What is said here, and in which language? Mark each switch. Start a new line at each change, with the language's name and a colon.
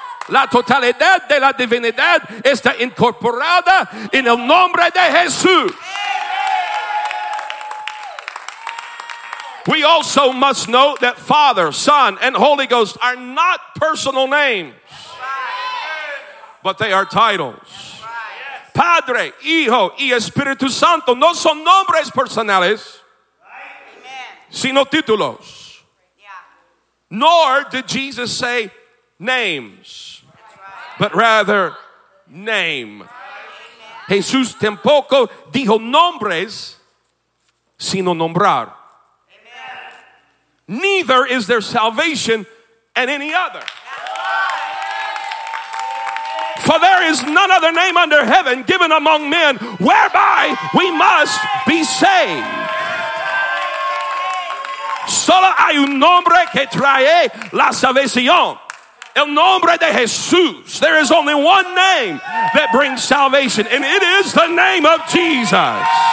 Spanish: La totalidad de la divinidad está incorporada en el nombre de Jesús.
English: We also must note that Father, Son, and Holy Ghost are not personal names, but they are titles. Right.
Spanish: Padre, Hijo, y Espíritu Santo no son nombres personales, right, sino títulos.
English: Yeah. Nor did Jesus say names, but rather name.
Spanish: Right. Jesús tampoco dijo nombres, sino nombrar.
English: Amen. Neither is there salvation in any other. For there is none other name under heaven given among men whereby we must be saved.
Spanish: Solo hay un nombre que trae la salvación. El nombre de Jesús.
English: There is only one name that brings salvation, and it is the name of Jesus.